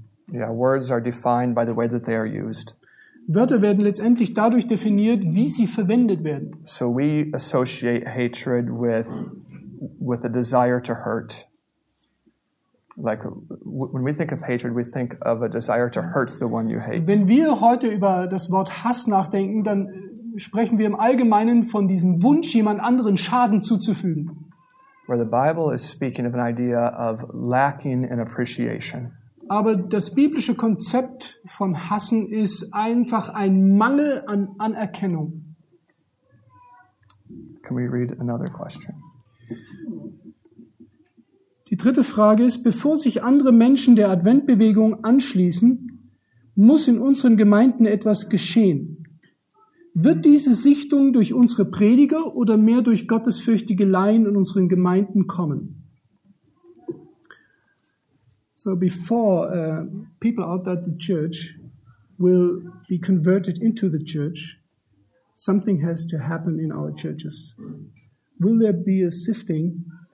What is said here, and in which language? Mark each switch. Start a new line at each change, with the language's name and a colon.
English: Words are defined by the way that they are used.
German: Wörter werden letztendlich dadurch definiert, wie sie verwendet werden.
English: So we associate hatred with a desire to hurt. Like when we think of hatred, we think of a desire to hurt the one you hate.
German: Wenn wir heute über das Wort Hass nachdenken, dann sprechen wir im Allgemeinen von diesem Wunsch, jemand anderen Schaden zuzufügen.
English: Where the Bible is speaking of an idea of lacking in appreciation.
German: Aber das biblische Konzept von Hassen ist einfach ein Mangel an Anerkennung.
English: Can we read another question?
German: Die dritte Frage ist, bevor sich andere Menschen der Adventbewegung anschließen, muss in unseren Gemeinden etwas geschehen. Wird diese Sichtung durch unsere Prediger oder mehr durch gottesfürchtige Laien in unseren Gemeinden kommen?
English: So before people out at the church will be converted into the church, something has to happen in our churches. Will there be a sifting?